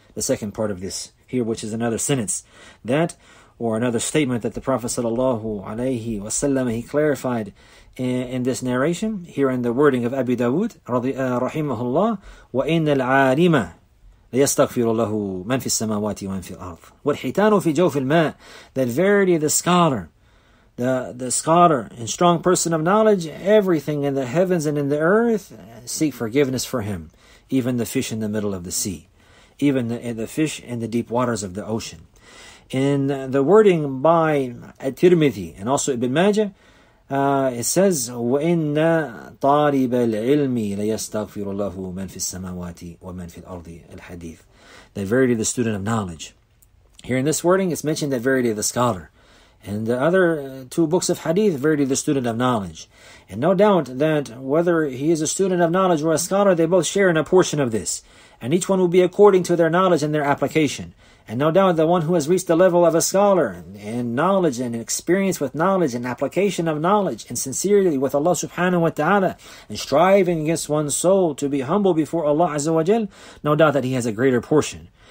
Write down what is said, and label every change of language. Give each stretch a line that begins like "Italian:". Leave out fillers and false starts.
English: The second part of this here, which is another sentence, that or another statement that the Prophet sallallahu alayhi wa sallam, he clarified in this narration, here in the wording of Abu Dawood, rahimahullah,
Arabic: وَإِنَّ الْعَالِمَ لَيَسْتَغْفِرُ لَهُ مَنْ فِي السَّمَاوَاتِ وَمَنْ فِي الْأَرْضِ وَالْحِيتَانُ فِي جَوْفِ الْمَاءِ.
English: That verily the scholar, the scholar and strong person of knowledge, everything in the heavens and in the earth, seek forgiveness for him. Even the fish in the middle of the sea. Even the fish in the deep waters of the ocean. In the wording by At-Tirmidhi and also Ibn Majah, it says,
Arabic: وَإِنَّ طَالِبَ الْعِلْمِ لَيَسْتَغْفِرُ اللَّهُ مَنْ فِي السَّمَاوَاتِ وَمَنْ فِي الْأَرْضِ الْحَدِيثِ.
English: That verity the student of knowledge. Here in this wording, it's mentioned that verity the scholar. And the other two books of hadith, verily the student of knowledge. And no doubt that whether he is a student of knowledge or a scholar, they both share in a portion of this. And each one will be according to their knowledge and their application. And no doubt the one who has reached the level of a scholar and knowledge and experience with knowledge and application of knowledge and sincerity with Allah subhanahu wa ta'ala and striving against one's soul to be humble before Allah azza wa jal, no doubt that he has a greater portion.